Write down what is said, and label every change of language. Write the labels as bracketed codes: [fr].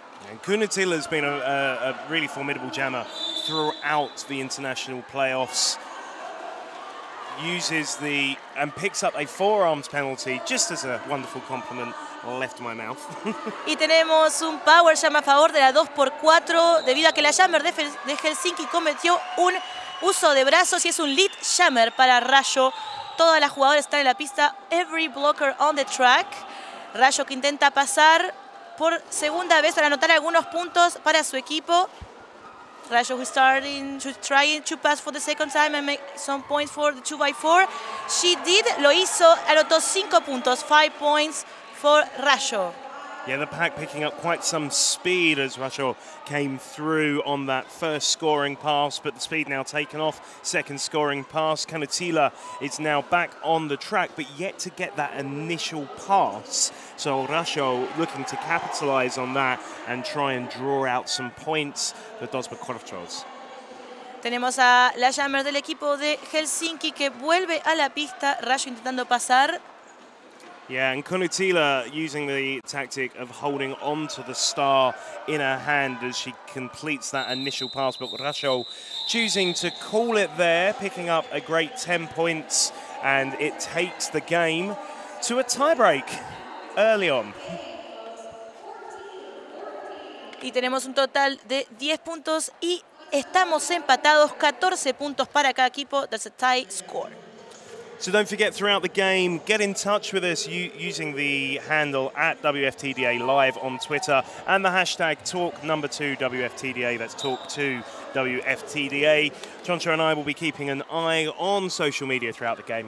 [en] And Kunutila has been a really formidable jammer throughout the international playoffs. Uses the and picks up a forearms penalty, just as a wonderful compliment left my mouth. [es] Y tenemos un power jam a favor de la 2x4, debido a que la jammer de Helsinki cometió un uso de brazos y es un lead jammer para Rayo. Todas las jugadoras están en la pista, [en] every blocker on the track. [es] Rayo que intenta pasar por segunda vez para anotar algunos puntos para su equipo. [en] Rayo who's starting to try to pass for the second time and make some points for the 2x4. She did, [es] lo hizo, anotó 5 puntos, [en] 5 points for Rayo. Yeah, the pack picking up quite some speed as Rayo came through on that first scoring pass, but the speed now taken off, second scoring pass. Canutila is now back on the track, but yet to get that initial pass. So Rayo looking to capitalize on that and try and draw out some points for Dos por Cuatro's. [es] Tenemos a la jammer del equipo de Helsinki que vuelve a la pista, Rayo intentando pasar. [en] Yeah, and Kunutila using the tactic of holding on to the star in her hand as she completes that initial pass. But Rasho choosing to call it there, picking up a great 10 points, and it takes the game to a tiebreak early on. [es] Y tenemos un total de 10 puntos y estamos empatados, 14 puntos para cada equipo. [en] That's a tie score. So don't forget throughout the game, get in touch with us using the handle at WFTDA Live on Twitter and the hashtag Talk2WFTDA. That's Talk2WFTDA. Choncho and I will be keeping an eye on social media throughout the game.